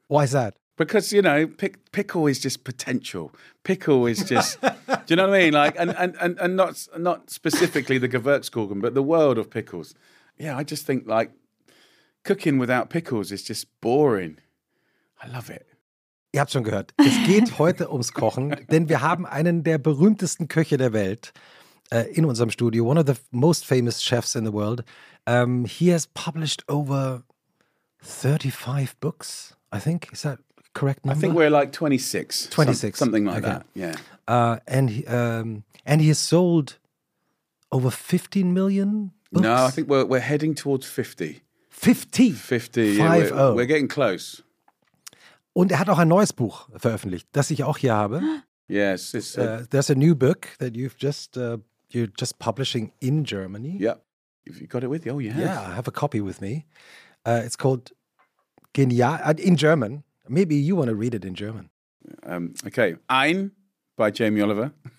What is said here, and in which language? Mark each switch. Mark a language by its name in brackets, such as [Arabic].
[English] Why is that? Because, you know, pickle is just potential. Pickle is just, do you know what I mean? Like, and not specifically the Gewürzgurken, but the world of pickles. Yeah, I just think, like, cooking without pickles is just boring. I love it. [German] Ihr habt schon gehört, es geht heute ums Kochen, denn wir haben einen der berühmtesten Köche der Welt in unserem Studio, [English] one of the most famous chefs in the world. He has published over 35 books, I think. Is that correct number? I think we're like 26. 26. Something like okay. That, yeah. And he has sold over 15 million books? No, I think we're heading towards 50. 50. 50, yeah, 50. We're getting close. [German] Und er hat auch ein neues Buch veröffentlicht, das ich auch hier habe. [English] Yes, it's there's a new book that you've just you're just publishing in Germany. Yeah. Have you got it with you? Oh yeah. Yeah, I have a copy with me. It's called Genial in German. Maybe you want to read it in German. Okay. Ein by Jamie Oliver.